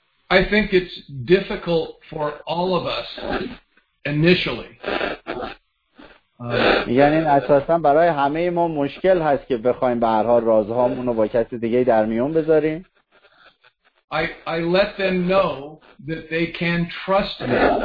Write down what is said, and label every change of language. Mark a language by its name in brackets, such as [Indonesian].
[English] I think it's difficult for all of us. Initially. [Persian] یعنی اساسا برای همه ما مشکل هست که بخوایم به هر حال رازهامون رو با کسی دیگه در میون بذاریم. [English] I let them know that they can trust me.